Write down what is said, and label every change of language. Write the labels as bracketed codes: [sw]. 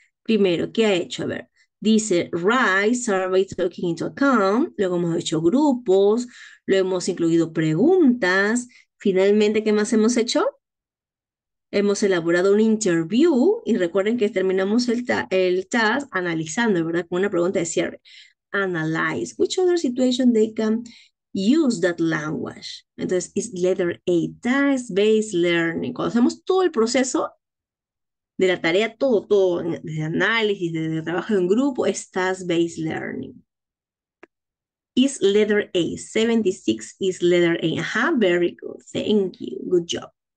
[es] Primero, ¿qué ha hecho? A ver, dice, [en] write survey taking into account. [es] Luego hemos hecho grupos, luego hemos incluido preguntas. Finalmente, ¿qué más hemos hecho? Hemos elaborado un interview y recuerden que terminamos el task analizando, ¿verdad? Con una pregunta de cierre. [en] Analyze, which other situation they can use that language. Entonces, is letter A, task-based learning. [es] Cuando hacemos todo el proceso de la tarea, todo, todo, desde análisis, desde el trabajo en grupo, es task-based learning. [en] Is letter A, 76 is letter A. Ajá, very good, thank you, good job.